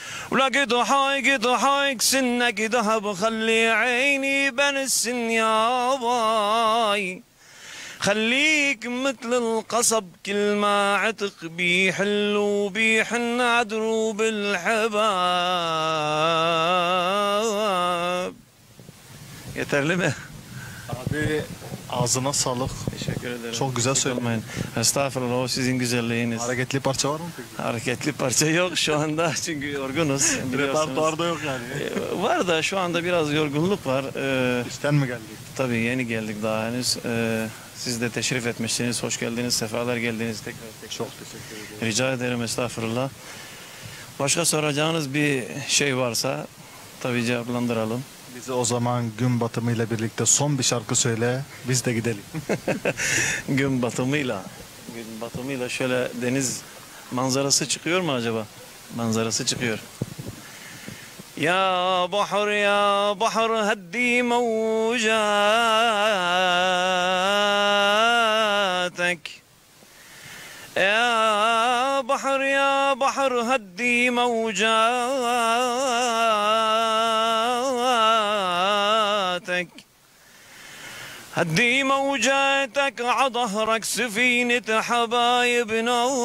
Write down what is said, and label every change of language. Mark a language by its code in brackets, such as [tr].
[ar] ولا قد حاي قد حاي سنك ذهب خلي عيني بين السن يا باي خليك مثل القصب كل ما عتق بيحل وبيحن عدروب الحباب يا ترلمه [tr] abi ağzına sağlık. Teşekkür ederim. Çok güzel söylemeyin. Estağfurullah, o sizin güzelliğiniz. Hareketli parça var mı peki? Hareketli parça yok şu anda çünkü yorgunuz. Repertuarda yok yani. Var da şu anda biraz yorgunluk var. İşten mi geldik? Tabii yeni geldik daha henüz. Siz de teşrif etmişsiniz. Hoş geldiniz. Sefalar geldiniz. Tekrar. Çok teşekkür ederim. Rica ederim. Estağfurullah. Başka soracağınız bir şey varsa tabii cevaplandıralım. Bize o zaman gün batımıyla birlikte son bir şarkı söyle. Biz de gidelim. Gün batımıyla. Gün batımıyla şöyle deniz manzarası çıkıyor mu acaba? Manzarası çıkıyor. [ar] يا بحر يا بحر هدي موجاتك يا بحر يا بحر هدي موجاتك هدي موجاتك عظهرك سفينة حبايبنا